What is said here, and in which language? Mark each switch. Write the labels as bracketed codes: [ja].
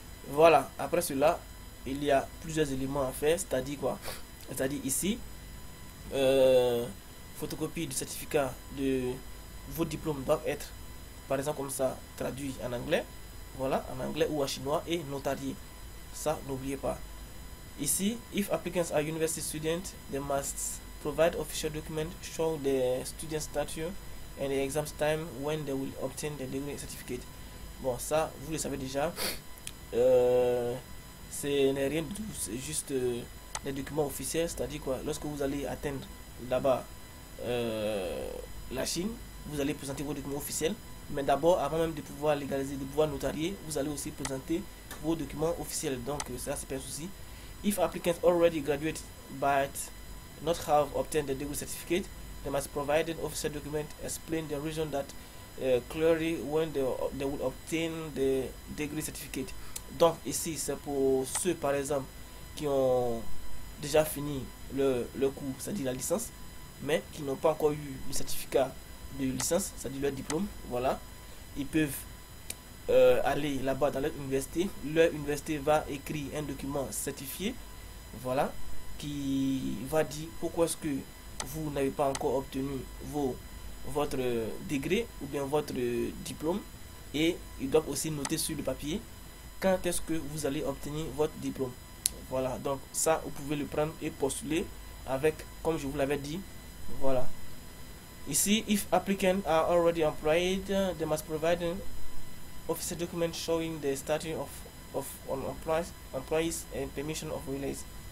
[fr] Voilà, après cela, il y a plusieurs éléments à faire, c'est-à-dire quoi? C'est-à-dire ici, photocopie du certificat de vos diplômes doivent être, par exemple comme ça, traduit en anglais, voilà, en anglais ou en chinois et notarié. Ça, n'oubliez pas. Ici, [en] if applicants are university students, they must provide official document showing their student statue and the exam time when they will obtain the degree certificate. [fr] Bon, ça, vous le savez déjà. Ce n'est rien du tout, c'est juste les documents officiels, c'est-à-dire quoi, lorsque vous allez atteindre là-bas la Chine, vous allez présenter vos documents officiels. Mais d'abord, avant même de pouvoir légaliser, de pouvoir notarier, vous allez aussi présenter vos documents officiels. Donc, ça, c'est pas un souci. [en] If applicants already graduated but not have obtained the degree certificate, they must provide an official document explain the reason that clearly when they will obtain the degree certificate. [fr] Donc ici c'est pour ceux par exemple qui ont déjà fini le cours, c'est-à-dire la licence, mais qui n'ont pas encore eu le certificat de licence, c'est-à-dire leur diplôme. Voilà, ils peuvent aller là-bas dans leur université. Leur université va écrire un document certifié, voilà, qui va dire pourquoi est-ce que vous n'avez pas encore obtenu votre degré ou bien votre diplôme. Et ils doivent aussi noter sur le papier quand est-ce que vous allez obtenir votre diplôme. Voilà, donc ça, vous pouvez le prendre et postuler avec, comme je vous l'avais dit, voilà. Ici, [en] if applicants are already employed, they must provide official document showing the status of employees and permission of release.